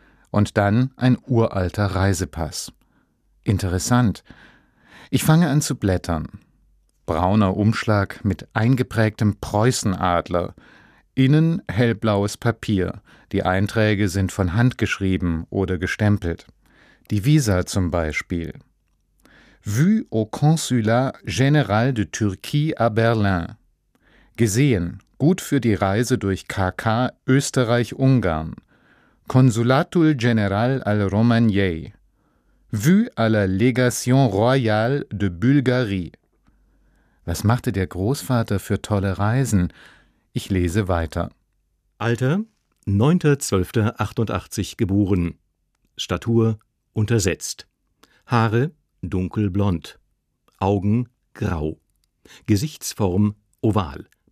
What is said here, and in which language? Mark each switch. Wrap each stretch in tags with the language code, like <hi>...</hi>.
<de>Und dann ein uralter Reisepass. Interessant. Ich fange an zu blättern. Brauner Umschlag mit eingeprägtem Preußenadler. Innen hellblaues Papier. Die Einträge sind von Hand geschrieben oder gestempelt. Die Visa zum Beispiel.</de> <fr>Vue au Consulat Général de Turquie à Berlin.</fr> <de>Gesehen, gut für die Reise durch KK Österreich-Ungarn.</de> <ro>Consulatul General al Romagnei.</ro> <fr>Vue à la Légation Royale de Bulgarie.</fr> <de>Was machte der Großvater für tolle Reisen? Ich lese weiter. Alter, 9.12.88 geboren. Statur, untersetzt. Haare, dunkelblond. Augen, grau. Gesichtsform, oval.</de>